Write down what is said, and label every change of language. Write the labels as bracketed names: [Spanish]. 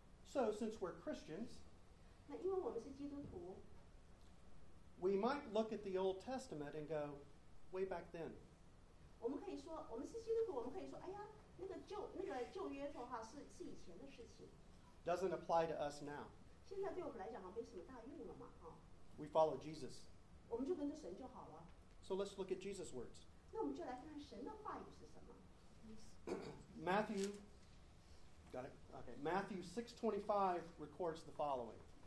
[English] So, since we're Christians, [Chinese] 那因为我们是基督徒, [English] we might look at the Old Testament and go, way back then. [Chinese] 我们可以说，我们是基督徒，我们可以说，哎呀，那个旧约的话是以前的事情。 [English] Doesn't apply to us now. [Chinese] 现在对我们来讲没什么大用了嘛, [English] We follow Jesus. [Chinese] 我们就跟着神就好了。 [English] So let's look at Jesus' words. [Chinese] 那我们就来看看神的话语是什么。 [English] Matthew, got it? Okay. Matthew 6:25 records the following.